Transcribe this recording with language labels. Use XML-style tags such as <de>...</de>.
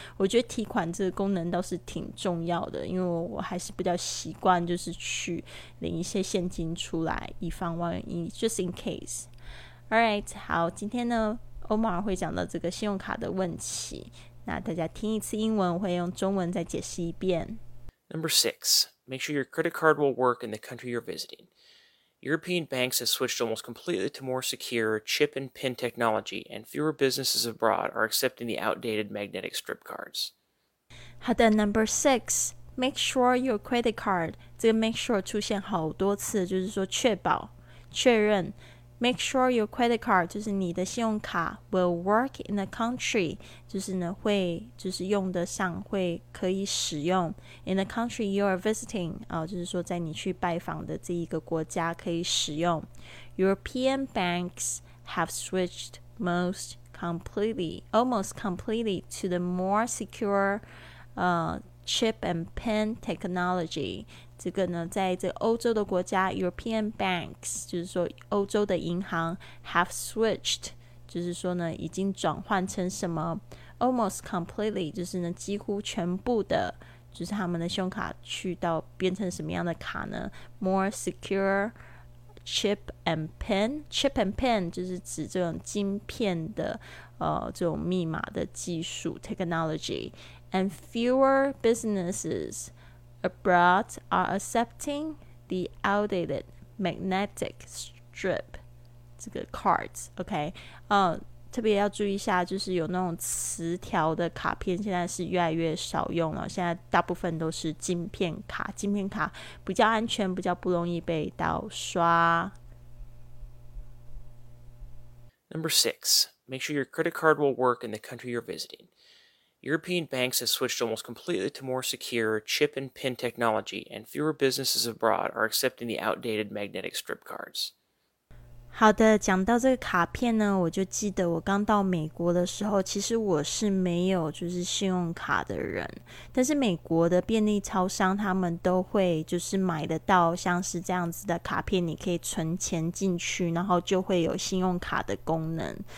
<zh>我觉得提款这个功能倒是挺重要的，因为我还是比较习惯就是去领一些现金出来以防万一，</zh> <en>just in case. Alright,</en> <zh>好，今天呢 Omar 会讲到这个信用卡的问题，那大家听一次英文，我会用中文再解释一遍。</zh> <en>Number 6, make sure your credit card will work in the country you're visiting. European banks have switched almost completely to more secure chip and PIN technology, and fewer businesses abroad are accepting the outdated magnetic strip cards.</en> <zh>好的，</zh> <en>Number 6,Make sure your credit card,</en> <zh>这个</zh> <en>make sure</en> <zh>出现好多次，就是说确保、确认。</zh> <en>Make sure your credit card,</en> <zh>就是你的信用卡</zh> <en>will work in the country,</en> <zh>就是呢会就是用得上会可以使用</zh> <en>in the country you are visiting,、</en> <zh>就是说在你去拜访的这一个国家可以使用。</zh> <en>European banks have switched most completely, almost completely to the more secure、chip and pin technology.</en> <zh>这个呢在这欧洲的国家</zh> <en>European banks</en> <zh>就是说欧洲的银行</zh> <en>have switched</en> <zh>就是说呢已经转换成什么</zh> <en>almost completely</en> <zh>就是呢几乎全部的就是他们的信用卡去到变成什么样的卡呢</zh> <en>more secure chip and pin chip and pin</en> <zh>就是指这种晶片的、这种密码的技术</zh> <en>technology and fewer businessesAbroad are accepting the outdated magnetic strip</en> <zh>这个</zh> <en>cards OK、</en> <zh>特别要注意一下就是有那种磁条的卡片现在是越来越少用了现在大部分都是晶片卡晶片卡比较安全比较不容易被盗刷</zh> <en>Number 6 Make sure your credit card will work in the country you're visitingEuropean banks have switched almost completely to more secure chip and pin technology, and fewer businesses abroad are accepting the outdated magnetic strip cards.</en> <zh>好的，讲到这个卡片呢，我就记得我刚到美国的时候，其实我是没有就是信用卡的人，但是美国的便利超商他们都会就是买得到像是这样子的卡片，你可以存钱进去，然后就会有信用卡的功能。</zh>